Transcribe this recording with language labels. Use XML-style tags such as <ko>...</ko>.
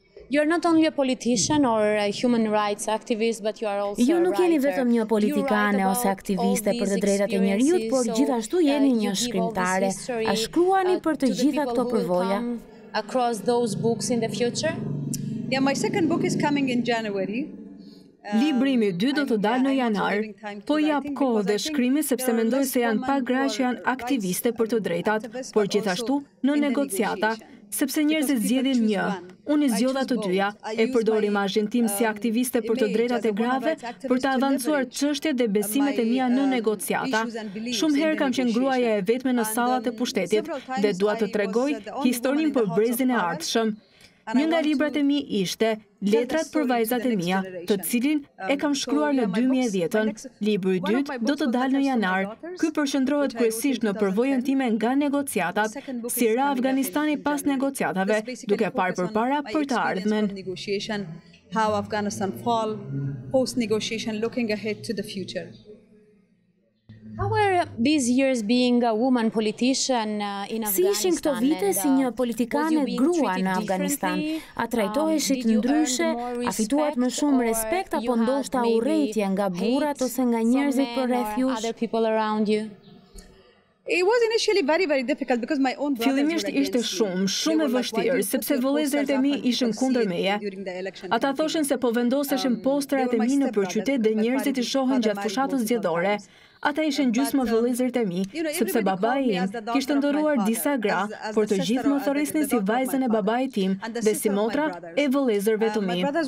<en>You are not only a politician or a human rights activist, but you are also a writer.</en> <sq>Ju nuk jeni vetëm një politikane ose aktiviste për të drejtat e njerëzit, por gjithashtu jeni një shkrimtare. A shkruani për të gjitha këto përvoja?</sq> <en>Across those books in the future? Yeah, my second book is coming in January.</en> <sq>Libri imi dy do të dalë në janar, po jap kohë dhe shkrimi sepse mendoj se janë pa gra që janë aktiviste për të drejtat, por gjithashtu në negociata, sepse njerëzit zgjedhin një. Unë i zgjodha të dyja, e përdori imazhin tim si aktiviste për të drejtat e grave, për të avancuar çështjet dhe besimet e mia në negociata. Shumë herë kam qenë gruaja e vetme në sallat e pushtetit dhe dua të tregoj historinë për brezin e ardhshëm. Një nga librat e mi ishte Letrat për vajzat e mia, të cilin e kam shkruar në 2010-ën. Libri i dytë do të dalë në janar. Ky përqendrohet kryesisht në përvojën time nga negociatat, si ra Afganistani pas negociatave, duke parë përpara për të ardhmen.</sq> <en>How Afghanistan fall post negotiation looking ahead to the future. How are these years being a woman politician in Afghanistan?</en> <sq>Si ishin këto vite si një politikane grua në Afganistan? A trajtoheshit ndryshe, a fituat më shumë respekt apo ndoshta urrejtje nga burrat ose nga njerëzit përreth jush?</sq> <en>It was initially very very difficult because my own</en> <sq>Fillimisht ishte shumë e vështirë sepse vëllezërit e mi ishin kundër meje. Ata thoshin se po vendoseshin posterat e mi nëpër qytet dhe njerëzit i shohën gjatë fushatës zgjedhore. Ata ishin gjysmë vëllezërit e mi, sepse babai im kishte ndëruar disa gra, por të gjithë më thërrisnin si vajzën e babait tim dhe si motra e vëllezërve të mi.</sq>